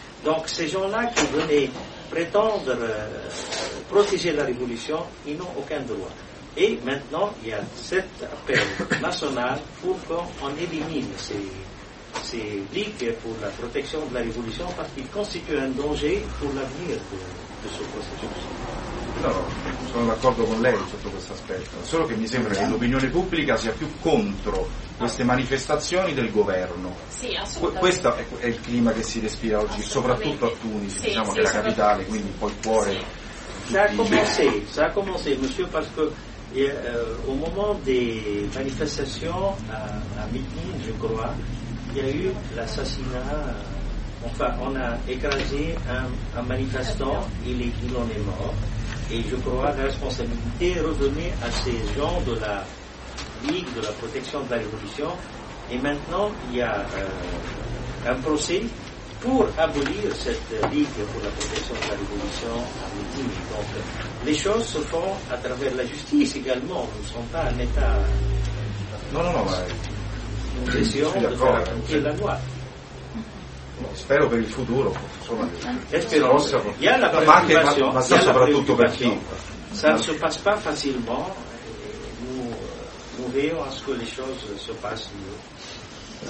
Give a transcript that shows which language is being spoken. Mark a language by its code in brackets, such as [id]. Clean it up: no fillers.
[fr] Donc ces gens-là qui venaient prétendre protéger la révolution, ils n'ont aucun droit. Et maintenant, il y a cet appel national pour qu'on élimine ces ligues pour la protection de la révolution, parce qu'ils constituent un danger pour l'avenir de [it] No, sono d'accordo con lei sotto questo aspetto, solo che mi sembra che l'opinione pubblica sia più contro queste manifestazioni del governo. Sì, assolutamente. Questo è il clima che si respira oggi, soprattutto a Tunisi, sì, diciamo, sì, che è la capitale, quindi un po' il cuore. [fr] Ça a commencé, monsieur, parce que au moment des manifestations à Midin, je crois, il y a eu l'assassinat enfin, on a écrasé un manifestant, il en est mort, et je crois que la responsabilité est redonnée à ces gens de la Ligue de la protection de la révolution, et maintenant il y a un procès pour abolir cette Ligue pour la protection de la révolution à Médine. Donc les choses se font à travers la justice également, nous ne sommes pas un état. Non, nous essayons de faire appliquer la loi. [it] Spero per il futuro, insomma, spero, la nostra, ma anche, ma sa soprattutto per chi. [fr] Ça ne se passe pas facilement, nous verrons à ce que les choses se passent mieux.